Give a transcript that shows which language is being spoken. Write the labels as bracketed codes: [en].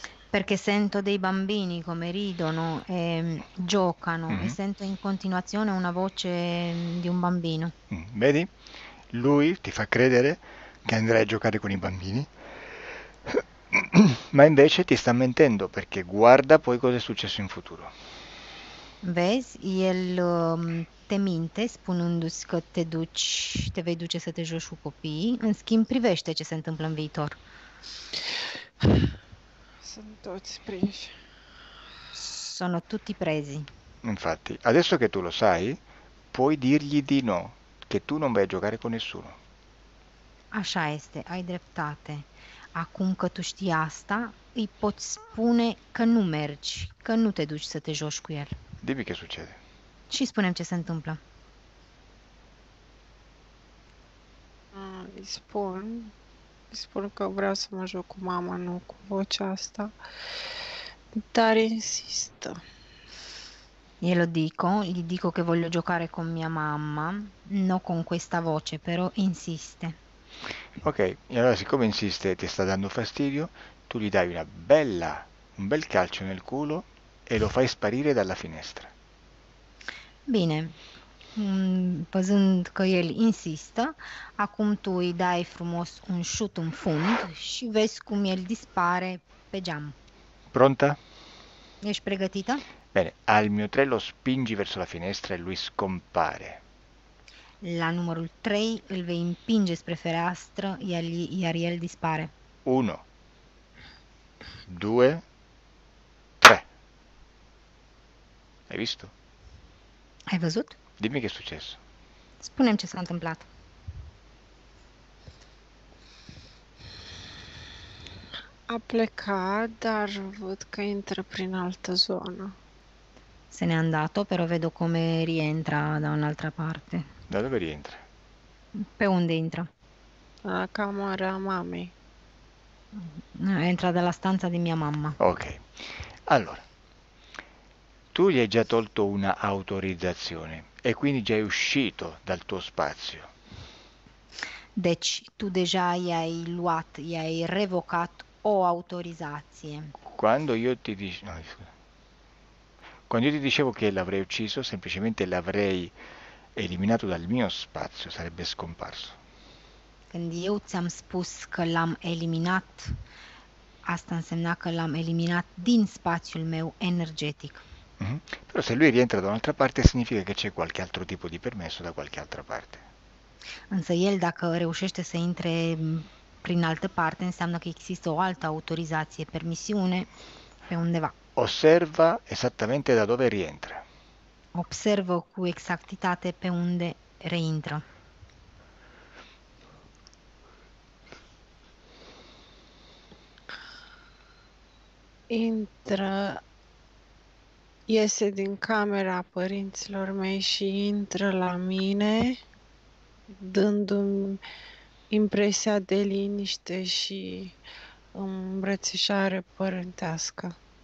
[it] Perché sento dei bambini come ridono e giocano e sento in continuazione una voce di un bambino. Vedi? Lui ti fa credere che andrai a giocare con i bambini, ma invece ti sta mentendo perché guarda poi cosa è successo in futuro. [ro] Vezi, el te minte spunându-ți că te vei duce să te joci cu copiii, în schimb privește ce se întâmplă în viitor. [it] Sono tutti presi. Sono tutti presi. Infatti, adesso che tu lo sai, puoi dirgli di no, che tu non vai a giocare con nessuno. [ro] Așa este, hai dreptate. Acum că tu știi asta, îi poți spune că nu mergi, că nu te duci să te joci cu el. [it] Dimmi che succede. [ro] Și spunem ce se întâmplă. Îi spun că vreau să mă joc cu mama, nu cu vocea asta, dar insistă. [it] Glielo dico, gli dico che voglio giocare con mia mamma, non con questa voce, però insiste. Ok, e allora siccome insiste e ti sta dando fastidio, tu gli dai un bel calcio nel culo e lo fai sparire dalla finestra. [ro] Bene, văzând că el insistă, acum tu îi dai frumos un șut în fund și vezi cum el dispare pe geam. [it] Pronta? Bene, [ro] Ești pregătită? [it] al mio tre lo spingi verso la finestra e lui scompare. [ro] La numărul 3 îl vei împinge spre fereastră, iar el dispare. [it] 1, 2, 3. Hai visto? [ro] Hai văzut? [it] Dimmi che è successo. [ro] Spune-mi ce s-a întâmplat. A plecat, dar văd că intră prin altă zonă. [it] Se n'è andato, però vedo come rientra da un'altra parte. Da dove rientra? [ro] Pe unde intra? La camera mamei. [it] Entra dalla stanza di mia mamma. Ok, allora, tu gli hai già tolto una autorizzazione e quindi già è uscito dal tuo spazio. [ro] Deci, tu deja i-ai revocat o autorizzazie. [it] Quando io ti dicevo che l'avrei ucciso, semplicemente l'avrei eliminato dal mio spazio, sarebbe scomparso. [ro] Quindi eu ți-am spus că l-am eliminat. Asta însemna că l-am eliminat din spațiul meu energetic. [it] Però se lui rientra da un'altra parte, significa che c'è qualche altro tipo di permesso da qualche altra parte. [ro] Însă el, dacă reușește să intre prin altă parte, înseamnă că există o altă autorizație, permisiune pe undeva. [it] Osserva esattamente da dove rientra. [ro] Observă cu esattitudine pe unde reintră. Intră, iese din camera părinților mei și intră la mine, dându-mi impresia de liniște și îmbrățișare părintească.